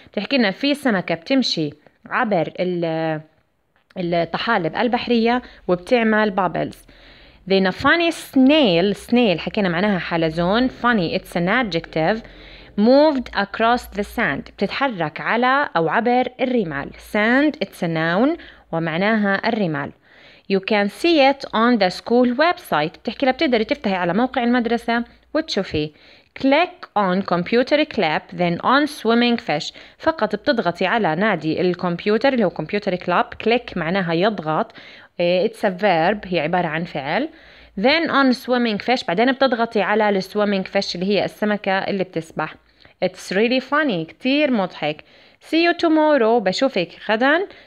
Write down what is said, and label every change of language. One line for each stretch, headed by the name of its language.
Arabic: تحكي لنا في سمكة بتمشي عبر الطحالب البحرية وبتعمل bubbles.
English: Then a funny snail, snail
Arabic: حكينا معناها حلزون,
English: funny it's an adjective, moved across the sand.
Arabic: بتتحرك على أو عبر الرمال. Sand
English: it's a noun
Arabic: ومعناها الرمال.
English: You can see it on the school website.
Arabic: بتحكي لها بتقدري تفتحي على موقع المدرسة وتشوفي.
English: Click on computer club then on swimming fish.
Arabic: فقط بتضغطي على نادي الكمبيوتر اللي هو computer club. Click معناها يضغط.
English: It's a verb,
Arabic: هي عبارة عن فعل.
English: Then on swimming fish,
Arabic: بعدين بتضغطي على
English: the swimming fish
Arabic: اللي هي السمكة اللي بتسبح.
English: It's really funny,
Arabic: كتير مضحك.
English: See you tomorrow,
Arabic: بشوفك غدا.